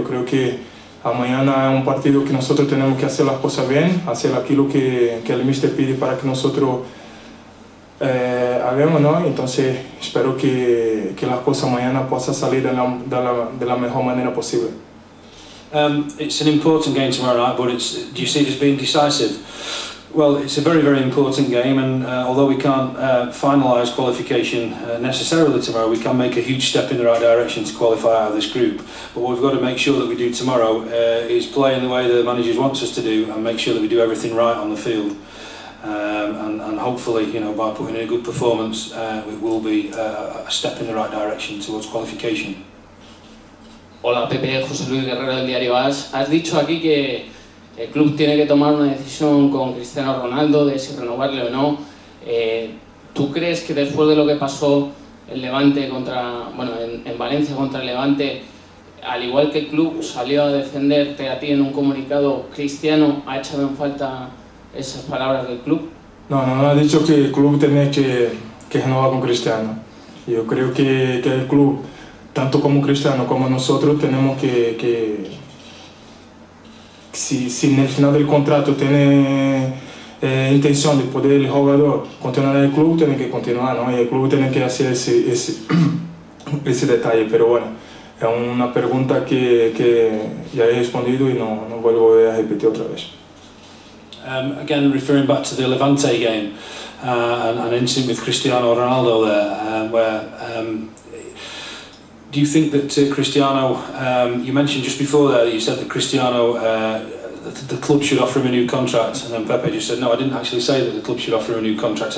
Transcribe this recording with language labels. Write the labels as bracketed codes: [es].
[es] Yo creo que mañana es un partido que nosotros tenemos que hacer las cosas bien, hacer aquello que el míster pide para que nosotros hagamos, ¿no? Entonces espero que las cosas mañana puedan salir de la mejor manera posible. [en] It's an important game tomorrow night, but do you see it as being decisive? Well, it's a very, very important game, and although we can't finalise qualification necessarily tomorrow, we can make a huge step in the right direction to qualify out of this group. But what we've got to make sure that we do tomorrow is play in the way the manager wants us to do and make sure that we do everything right on the field. And hopefully, you know, by putting in a good performance, it will be a step in the right direction towards qualification. [es] Hola, Pepe, José Luis Guerrero del diario AS. Has dicho aquí que el club tiene que tomar una decisión con Cristiano Ronaldo de si renovarle o no. ¿Tú crees que después de lo que pasó el Levante contra, bueno, en Valencia contra el Levante, al igual que el club salió a defenderte a ti en un comunicado, Cristiano ha echado en falta esas palabras del club? No, ha dicho que el club tiene que renovar con Cristiano. Yo creo que el club, tanto como Cristiano como nosotros, tenemos que si en el final del contrato tiene intención de poder el jugador continuar en el club, tiene que continuar, ¿no? Y el club tiene que hacer ese detalle. Pero bueno, es una pregunta que ya he respondido y no vuelvo a repetir otra vez. [en] Again, referring back to the Levante game and incident with Cristiano Ronaldo there, do you think that Cristiano, you mentioned just before there that you said that Cristiano, the club should offer him a new contract, and then Pepe just said, no, I didn't actually say that the club should offer him a new contract.